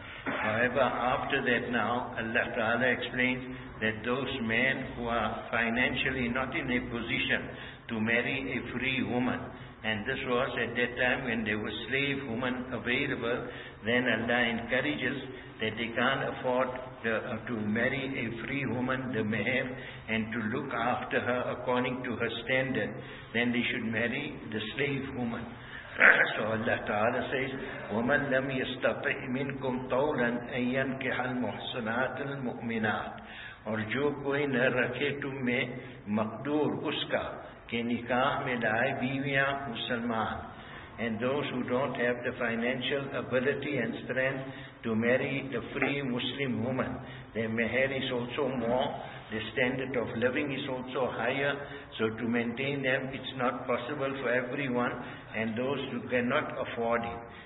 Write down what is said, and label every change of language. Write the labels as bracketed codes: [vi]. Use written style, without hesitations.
[en] However, after that now, Allah Ta'ala explains that those men who are financially not in a position to marry a free woman, and this was at that time when there was slave woman available, then Allah encourages that they can't afford to marry a free woman, the mahar, and to look after her according to her standard, then they should marry the slave woman. So Allah Ta'ala says, [ar] وَمَنْ لَمْ يَسْتَطِعْ مِنْكُمْ طَوْلًا أَنْ يَنْكِحَ الْمُحْسَنَاتِ الْمُؤْمِنَاتِ. [ur] اور جو کوئی نہ رکھے تم میں مقدور اس کا کہ نکاح میں لائے بیویاں مسلمان. [en] And those who don't have the financial ability and strength to marry the free Muslim woman, their mahar is also more, the standard of living is also higher, so to maintain them it's not possible for everyone, and those who cannot afford it.